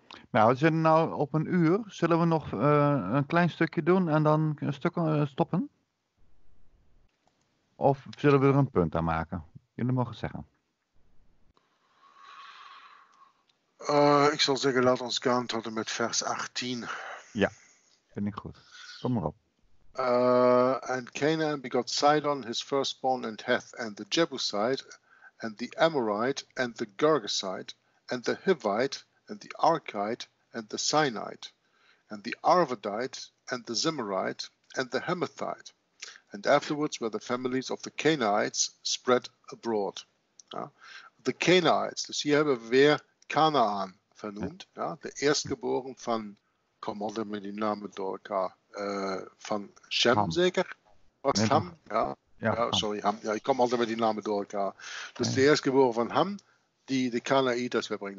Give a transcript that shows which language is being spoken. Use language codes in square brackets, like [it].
[nl] Nou, we zitten nu op een uur. Zullen we nog een klein stukje doen en dan een stuk stoppen? Of zullen we er een punt aan maken? Jullie mogen het zeggen. Ik zal zeggen, laat ons gaan tot en met vers 18. Ja, vind ik goed. Kom maar op. [en] And Canaan begot Sidon, his firstborn, and Heth, and the Jebusite, and the Amorite, and the Girgashite, and the Hivite, and the Arkite, and the Sinite, and the Arvadite, and the Zimmerite, and the Hamathite. And afterwards were the families of the Canaanites spread abroad. [nl] The Canaanites, dus hier hebben we weer Kanaan vernoemd, ja, de eerstgeboren van, kom altijd met die namen door elkaar, van Shem Ham. Zeker? Was Ham? Ham. Ja, ik kom altijd met die namen door elkaar. Dus de eerstgeboren van Ham, die de Kanaïters weer brengt.